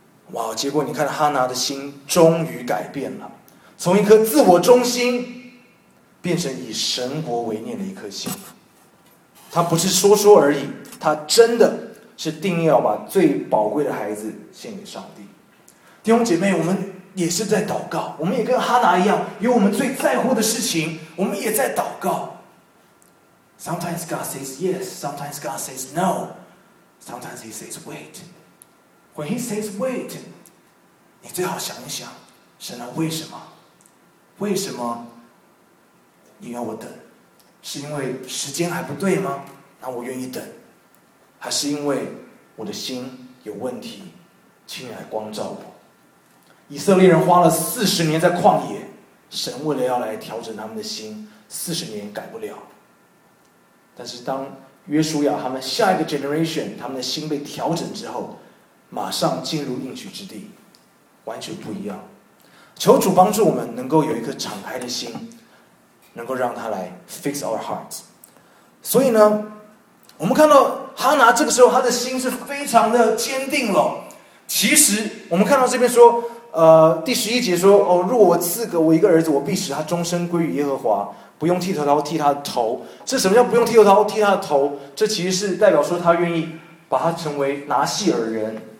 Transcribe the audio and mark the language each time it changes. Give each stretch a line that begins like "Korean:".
Chinese: 哇，结果你看哈拿的心终于改变了，从一颗自我中心变成以神国为念的一颗心。他不是说说而已，他真的是定义要把最宝贵的孩子献给上帝。弟兄姐妹，我们也是在祷告，我们也跟哈拿一样，有我们最在乎的事情，我们也在祷告。
English: Sometimes God says yes, Sometimes God says no, Sometimes he says waitWhen he says wait,
Chinese: 你最好想一想，神啊，为什么？为什么你要我等？是因为时间还不对吗？那我愿意等。还是因为我的心有问题，请你来光照我。以色列人花了40年在旷野，神为了要来调整他们的心，40年改不了。但是当约书亚他们下一个 generation， 他们的心被调整之后，马上进入应许之地，完全不一样。求主帮助我们能够有一颗敞开的心，能够让他来
English: fix our hearts。
Chinese: 所以呢，我们看到哈拿这个时候他的心是非常的坚定了。其实我们看到这边说第十一节说，哦，如果我赐给我一个儿子，我必使他终身归于耶和华，不用剃头刀剃他的头。这什么叫不用剃头刀剃他的头？这其实是代表说他愿意把他成为拿细耳人。